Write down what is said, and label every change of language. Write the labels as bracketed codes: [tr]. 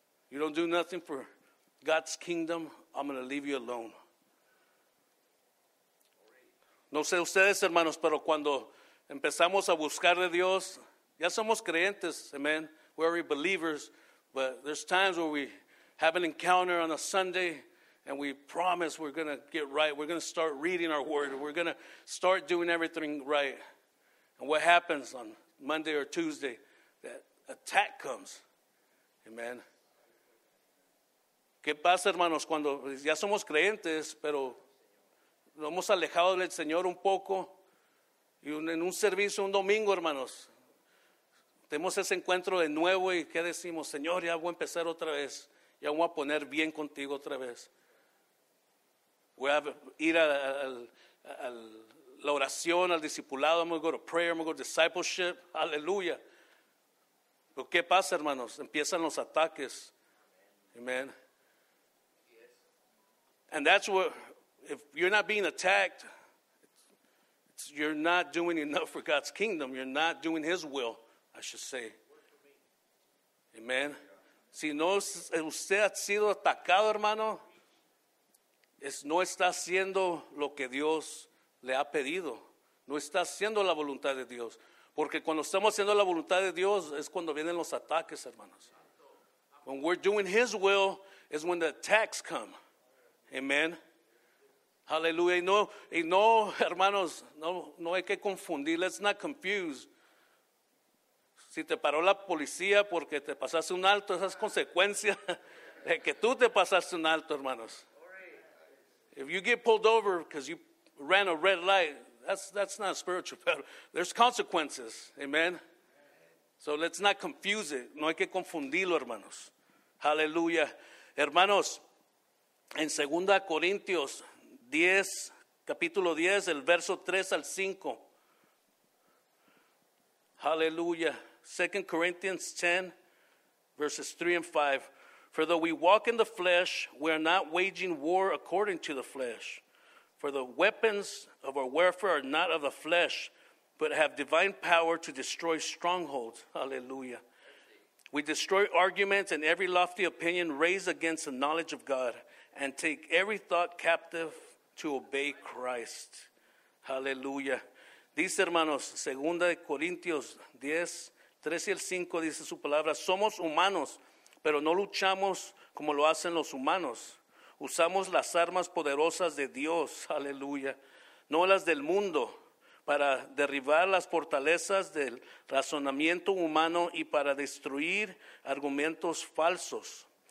[en] You don't do nothing for God's kingdom, I'm going to leave you alone. [es] No sé ustedes, hermanos, pero cuando empezamos a buscar de Dios, Ya somos creyentes, amen. [en] We're already believers, but there's times where we have an encounter on a Sunday and we promise we're going to get right. We're going to start reading our word. We're going to start doing everything right. And what happens on Monday or Tuesday? That attack comes. Amen. [es] ¿Qué pasa, hermanos, cuando ya somos creyentes, pero nos hemos alejado del Señor un poco? Y en un servicio, un domingo, hermanos, tenemos ese encuentro de nuevo y ¿qué decimos? Señor, ya voy a empezar otra vez. Ya voy a poner bien contigo otra vez. Voy a ir a la oración, al discipulado. [en] I'm going to go to prayer, I'm going to go to discipleship. [es] Aleluya. ¿Pero qué pasa, hermanos? Empiezan los ataques. Amen. [en] And that's what, if you're not being attacked, you're not doing enough for God's kingdom. You're not doing His will, I should say. Amen. [es] Si no usted ha sido atacado, hermano, no está haciendo lo que Dios le ha pedido. No está haciendo la voluntad de Dios. Porque cuando estamos haciendo la voluntad de Dios, es cuando vienen los ataques, hermanos. [en] When we're doing His will, is when the attacks come. [es] Amen. Hallelujah. Y no, hermanos, no hay que confundir. [en] Let's not confuse. [es] Si te paró la policía porque te pasaste un alto, esa es consecuencia de que tú te pasaste un alto, hermanos. [en] If you get pulled over because you ran a red light, that's not spiritual, but there's consequences. Amen. So let's not confuse it. [es] No hay que confundirlo, hermanos. [en] Hallelujah. [es] Hermanos, en 2 Corintios 10, capítulo 10, el verso 3 al 5. [en] Hallelujah. 2 Corinthians 10, verses 3 and 5. For though we walk in the flesh, we are not waging war according to the flesh. For the weapons of our warfare are not of the flesh, but have divine power to destroy strongholds. Hallelujah. We destroy arguments and every lofty opinion raised against the knowledge of God, and take every thought captive to obey Christ. Hallelujah. [es] Dice, hermanos, 2 Corintios 10, 3 y el 5, dice su palabra, somos humanos, pero no luchamos como lo hacen los humanos. Usamos las armas poderosas de Dios, aleluya, no las del mundo, para derribar las fortalezas del razonamiento humano y para destruir argumentos falsos.